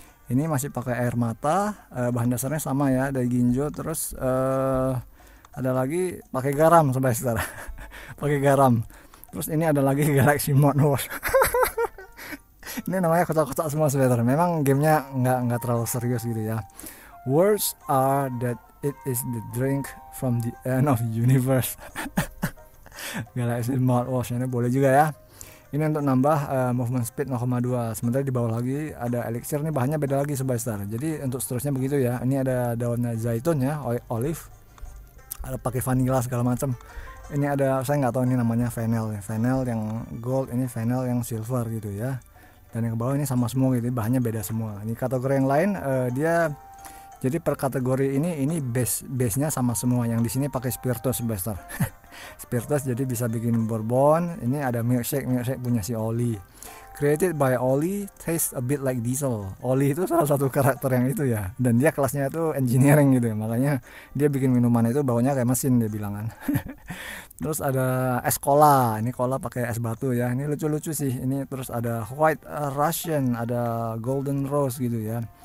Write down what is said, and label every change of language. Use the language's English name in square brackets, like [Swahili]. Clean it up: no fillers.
[Indonesian] Ini masih pakai air mata, bahan dasarnya sama ya, dari Ginjo. Terus ada lagi pakai garam sebentar. Pakai garam. Terus ini ada lagi Galaxy Mode Wars. Ini namanya kocak-kocak semua sebentar. Memang gamenya nggak terlalu serius gitu ya. [English] Words are that it is the drink from the end of universe. [Indonesian] Galaxy Mode Wars ini boleh juga ya. Ini untuk nambah movement speed 0,2. Sementara di bawah lagi ada elixir, nih bahannya beda lagi sebentar. Jadi untuk seterusnya begitu ya. Ini ada daunnya zaitun ya, olive. Ada pakai vanilla segala macam. Ini ada, saya nggak tahu ini namanya fennel, fennel yang gold, ini fennel yang silver gitu ya. Dan yang ke bawah ini sama semua gitu, bahannya beda semua. Ini kategori yang lain, dia jadi per kategori ini base-nya sama semua. Yang di sini pakai spiritus sebentar. Spiritus jadi bisa bikin bourbon. Ini ada milkshake punya si Oli. [English] Created by Oli, tastes a bit like diesel. [Indonesian] Oli itu salah satu karakter yang itu ya. Dan dia kelasnya itu engineering gitu ya. Makanya dia bikin minuman itu baunya kayak mesin, dia bilang kan. Terus ada es cola. Ini cola pakai es batu ya. Ini lucu-lucu sih. Ini terus ada white Russian, ada golden rose gitu ya.